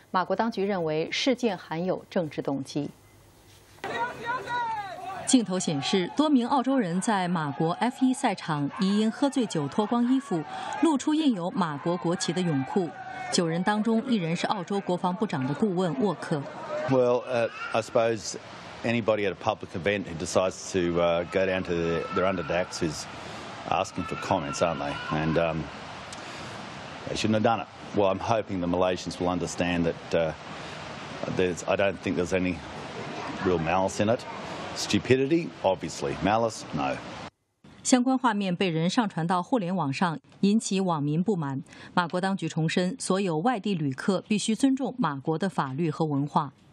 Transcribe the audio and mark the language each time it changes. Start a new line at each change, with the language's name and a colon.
Chinese: 马国当局认为事件含有政治动机。镜头显示，多名澳洲人在马国 F1 赛场疑因喝醉酒脱光衣服，露出印有马国国旗的泳裤。 9人当中，1人是澳洲国防部长的顾问沃克。
English: Well, I suppose anybody at a public event who decides to go down to their underdecks is asking for comments, aren't they? And they shouldn't have done it. Well, I'm hoping the Malaysians will understand that I don't think there's any real malice in it. Stupidity, obviously. Malice, no.
Chinese: 相关画面被人上传到互联网上，引起网民不满。马国当局重申，所有外地旅客必须尊重马国的法律和文化。